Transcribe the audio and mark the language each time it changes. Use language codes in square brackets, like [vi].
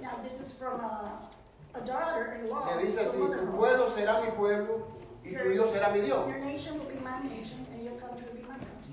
[en] Now, this is from a daughter-in-law. [es] Le dice así, tu pueblo será mi pueblo. Y tu Dios será mi Dios. [en] Your nation will be my nation and your country will be my country.